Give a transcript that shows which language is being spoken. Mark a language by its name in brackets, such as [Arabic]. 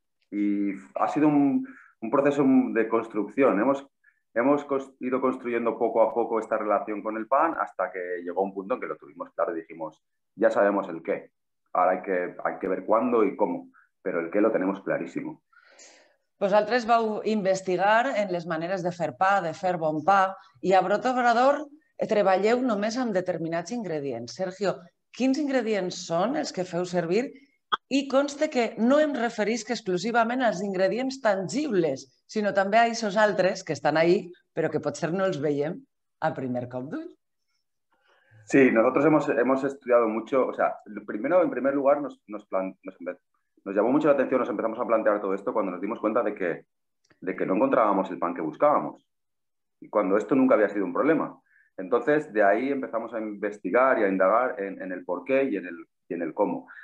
[Spanish] Y ha sido un proceso de construcción. Hemos ido construyendo poco a poco esta relación con el pan hasta que llegó un punto en que lo tuvimos claro y dijimos, ya sabemos el qué. Ara hay que ver cuándo y cómo, pero el qué lo tenemos clarísimo. [Catalan] Vosaltres vau investigar en les maneres de fer pa, de fer bon pa, i a Brot Obrador treballeu només amb determinats ingredients. Sergio, quins ingredients són els que feu servir? I consta que no em referisc exclusivament als ingredients tangibles, sinó també a aquests altres que estan ahí, però que potser no els veiem al primer cop d'ull. [Spanish] Sí, nosotros hemos estudiado mucho, o sea, primero, en primer lugar, nos llamó mucho la atención, nos empezamos a plantear todo esto cuando nos dimos cuenta de que no encontrábamos el pan que buscábamos, y cuando esto nunca había sido un problema. Entonces, de ahí empezamos a investigar y a indagar en el por qué y en el cómo.